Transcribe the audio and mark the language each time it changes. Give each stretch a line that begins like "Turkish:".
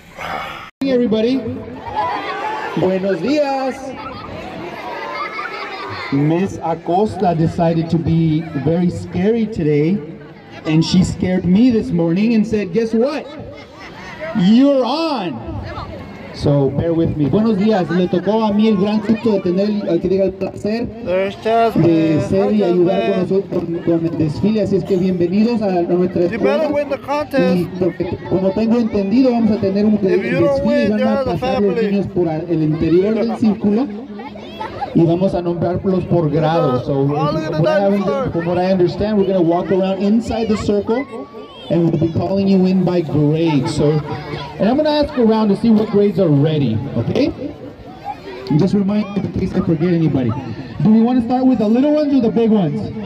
English: Hey, everybody.
Spanish: Buenos dias.
English: Miss Acosta decided to be very scary today. And she scared me this morning and said, guess what? You're on. So bear with me.
Spanish: Buenos días. Le tocó a mí el gran susto de tener el placer de ser y ayudar con nosotros con el desfile. Así es que bienvenidos a nuestra escuela. Y como tengo entendido, vamos a tener un desfile. Van a pasar los niños por el interior del círculo y vamos a nombrarlos por grado.
English: So from what I understand, we're going to walk around inside the circle. And we'll be calling you in by grade. So, and I'm gonna ask around to see what grades are ready, okay? And just remind me in case I forget anybody. Do we wanna start with the little ones or the big ones?